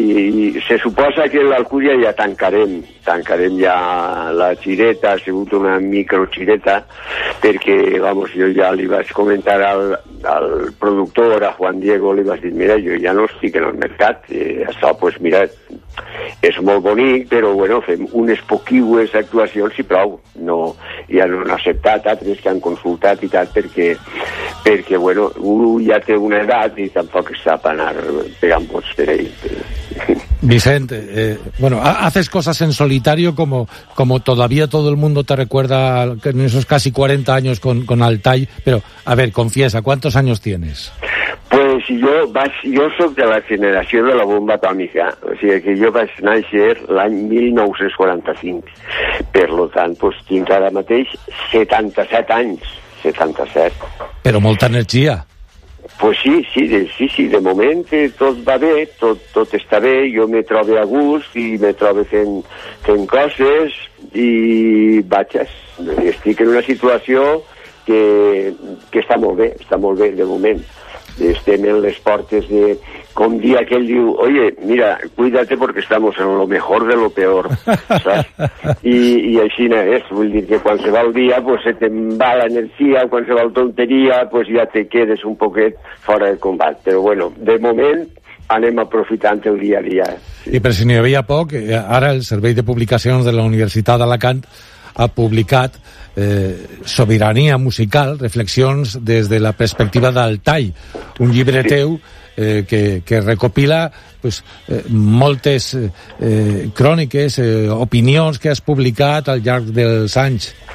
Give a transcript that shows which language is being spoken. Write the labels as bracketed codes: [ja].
[ca] I se suposa que en l'Alcúdia ja tancarem ja la xireta, ha sigut una microxireta, perquè, vamos, jo ja li vaig comentar al productor, a Juan Diego, li vaig dir, mira, jo ja no estic en el mercat, això, pues mira, és molt bonic, però bueno, fem unes poquíues actuacions i prou. No, ja no han acceptat altres que han consultat i tal, perquè bueno, un ja té una edat i tampoc està per anar pegant bots per ell. [es] Vicent, bueno, haces cosas en solitario como todavía todo el mundo te recuerda en esos casi 40 años con Altai, pero a ver, confiesa, ¿cuántos años tienes? [ca] Pues jo soc de la generació de la bomba atòmica, o sigui que jo vaig néixer l'any 1945, per lo tant, pues, tinc ara mateix 77 anys, 77. Però molta energia. Pues sí, de moment tot va bé, tot està bé, jo me trobo a gust i me trobo fent coses i vaixes. Estic en una situació que està molt bé de moment. Estem en les portes de, com dia aquell diu, [es] oye, mira, cuídate porque estamos en lo mejor de lo peor, [ca] ¿saps? I així no és, vull dir que quan se va el dia, pues se te'n va l'energia, quan se va el tonteria, pues ja te quedes un poquet fora de combat. Però bueno, de moment anem aprofitant el dia a dia. I per si n'hi havia poc, ara el Servei de Publicacions de la Universitat d'Alacant ha publicat Sobirania Musical, reflexions des de la perspectiva d'Altai, un llibre teu que recopila pues, moltes cròniques, opinions que has publicat al llarg dels anys.